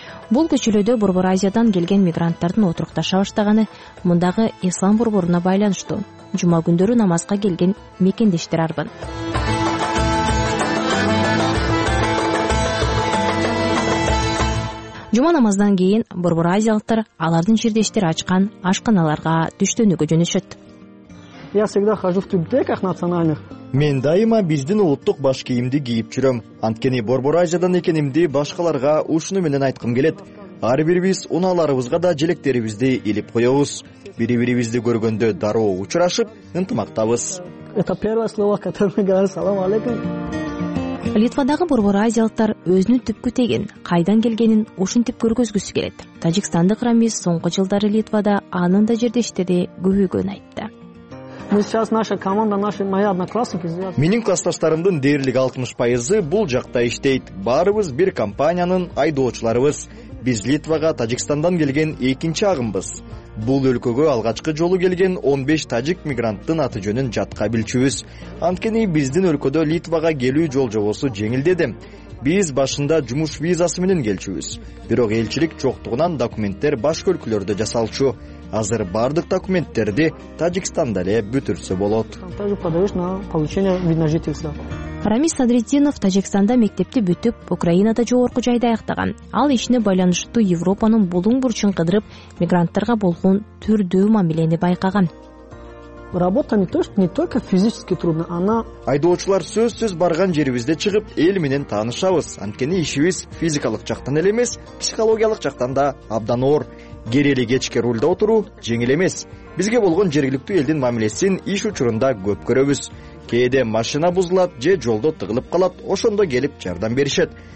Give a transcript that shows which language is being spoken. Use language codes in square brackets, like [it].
[ky] Бул көчөлөрдө борбор азиядан келген мигранттардын отурукташа баштаганы мындагы ислам борборуна байланыштуу. жума күндөрү намазга келген мекендештер арбын. Жума намаздан кийин борбор азиялыктар алардын жердештери ачкан ашканаларга түштөнүүгө жөнөшөт. [ru] Я всегда хожу в тюбетейках национальных. [ky] Мен дайыма биздин улуттук баш кийимди кийип жүрөм. Анткени борбор азиядан экенимди башкаларга ушуну менен айткым келет. Ар бирибиз унааларыбызга да желектерибизди илип коебуз. Бири-бирибизди көргөндө дароо учурашып, ынтымактабыз. [ru] Это первое слово, которое мы говорим, салам алейкум. [ky] Литвадагы борбор азиялыктар өзүнүн түпкү тегин, кайдан келгенин ушинтип көргөзгүсү келет. Тажикстандык рамиз соңку жылдары Литвада анын да жердештери көбөйгөнүн айтты. [ru] Мы сейчас наша команда, наши мои одноклассники. [ky] Менин классташтарымдын дээрлик 60% бул жакта иштейт. Баарыбыз бир компаниянын айдоочуларыбыз. Биз Литвага Тажикстандан келген экинчи агымбыз. Бул өлкөгө алгачкы жолу келген 15 тажик мигранттын аты-жөнүн жатка билчүбүз. Анткени биздин өлкөдө Литвага келүү жол-жобосу жеңилдеди. Биз башында жумуш визасы менен келчүбүз. Бирок элчилик жоктугунан документтер башка өлкөлөрдө жасалчу. Азыр бардык документтерди Тажикстанда эле бүтүрсө болот. Рамиз Садретдинов Тажикстанда мектепти бүтүп, Украинада жогорку жайды аяктаган. Ал ишине байланыштуу Европанын булуң бурчун кыдырып, мигранттарга болгон түрдүү мамилени байкаган. [ru] Работа не только физически трудно, она... [ky] Айдоочулар сөзсүз барган жерибизде чыгып, эл менен таанышабыз. Анткени ишибиз физикалык жактан эле эмес, психологиялык жактан да абдан оор. Керели кечке рульда отуруу жеңил эмес. Бизге болгон жергиликтүү элдин мамилесин иш учурунда көп көрөбүз. Кээде машина бузулат же жолдо тыгылып калат, ошондо келип жардам беришет.